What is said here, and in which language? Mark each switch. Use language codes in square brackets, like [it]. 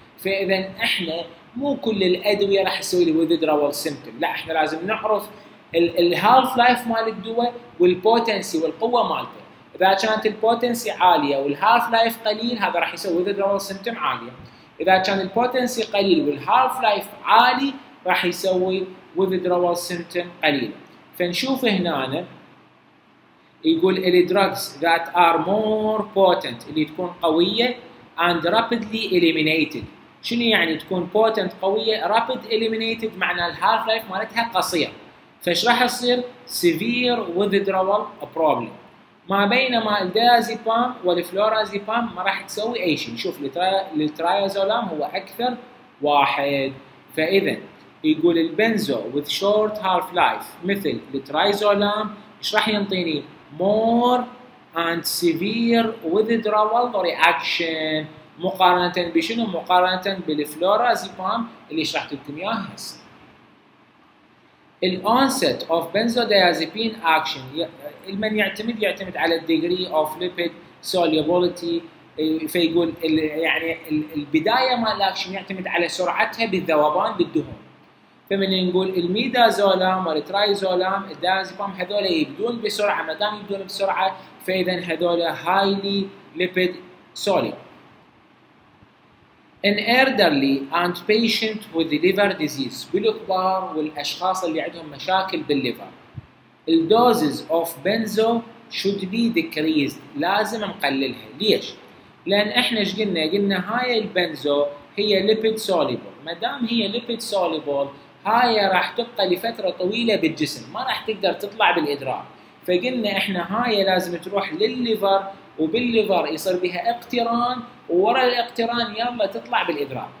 [ar] فإذا إحنا مو كل الأدوية راح تسوي الwithdrawal symptom، لا، إحنا لازم نعرف الهاف لايف مال الدواء والpotency والقوة مالته. إذا كانت البوتنسي عالية والهالف لايف قليل، هذا راح يسوي withdrawal symptom عالية. إذا كان البوتنسي قليل والهالف لايف عالي، راح يسوي withdrawal symptom قليل. [en] فنشوف هنا يقول the drugs that are more potent [ar] اللي تكون قوية [en] and rapidly eliminated. [ar] شنو يعني تكون potent قوية؟ [en] rapid eliminated [ar] معنى الهالف لايف مالتها قصير. فش راح يصير؟ [en] severe withdrawal problem. [ar] ما بينما الديازيبام والفلورازيبام ما راح تسوي اي شيء. نشوف الترايزولام هو اكثر واحد. فاذا يقول البنزو [en] with short half life [ar] مثل الترايزولام ايش راح ينطيني؟ [en] more and severe withdrawal reaction [ar] مقارنه بشنو؟ مقارنه بالفلورازيبام اللي شرحت لكم اياها هسه. [en] ال onset of benzodiazepine action [ar] يعتمد على [en] degree of lipid solubility [ar] فيقول يعني البدايه ما الاكشن يعتمد على سرعتها بالذوبان بالدهون. فمن نقول الميدازولام والترايزولام الدازبام هذول يبدون بسرعه، ما دام يبدون بسرعه فاذا هذول هايلي ليبيد سوليد. [en] In elderly and patient with liver disease، [ar] بالكبار والأشخاص اللي عندهم مشاكل بالليفر، [en] the doses of benzo should be decreased، [ar] لازم نقللها. ليش؟ لأن إحنا إيش قلنا؟ قلنا هاي البنزو هي lipid soluble، ما دام هي lipid soluble هاي راح تبقى لفترة طويلة بالجسم، ما راح تقدر تطلع بالإدرار، فقلنا إحنا هاي لازم تروح للليفر وبالليفر يصير بها اقتران وورا الاقتران يلا تطلع بالادرار.